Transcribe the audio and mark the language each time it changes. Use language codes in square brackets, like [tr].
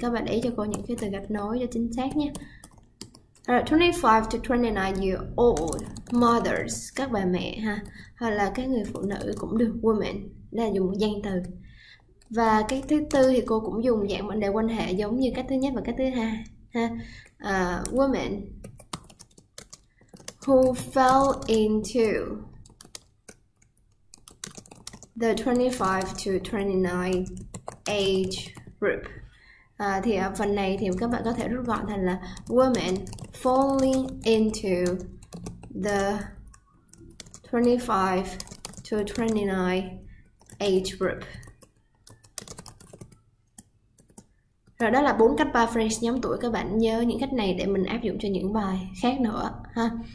[vi] Các bạn để cho cô những cái từ gạch nối cho chính xác nhé. [en] 25 to 29 year old mothers, [vi] các bà mẹ ha, hoặc là các người phụ nữ cũng được, women, là dùng một danh từ. Và cách thứ tư thì cô cũng dùng dạng mệnh đề quan hệ giống như cách thứ nhất và cách thứ hai ha. [en] Women who fell into the 25 to 29 age group. [vi] Thì ở phần này thì các bạn có thể rút gọn thành là [en] women falling into the 25 to 29 age group. [vi] Rồi đó là bốn cách paraphrase nhóm tuổi, các bạn nhớ những cách này để mình áp dụng cho những bài khác nữa ha.